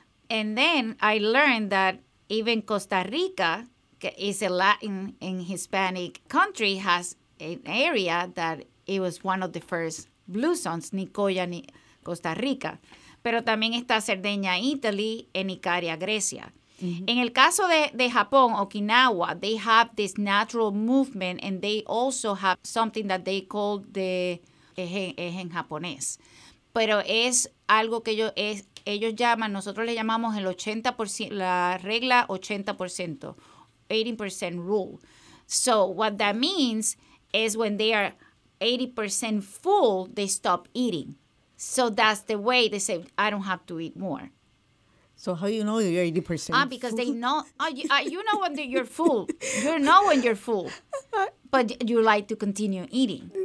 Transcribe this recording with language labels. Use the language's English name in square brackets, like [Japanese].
[English] And then I learned that even Costa Rica, is a Latin and Hispanic country, has an area that it was one of the first blue zones, Nicoya, Costa Rica. [Spanish] Pero también está Cerdeña, Italy, en Icaria, Grecia. [English] Mm-hmm. [Spanish] En el caso de Japón, [English] Okinawa, they have this natural movement and they also have something that they call [Spanish] es en japonés. Pero es algo que ellos llaman, nosotros le llamamos el 80%, la regla 80%, [English] 80% rule. So what that means is when they are 80% full, they stop eating. So that's the way they say, I don't have to eat more. So how do you know you're 80% full? Because they know, you know when you're full. You know when you're full. But you like to continue eating.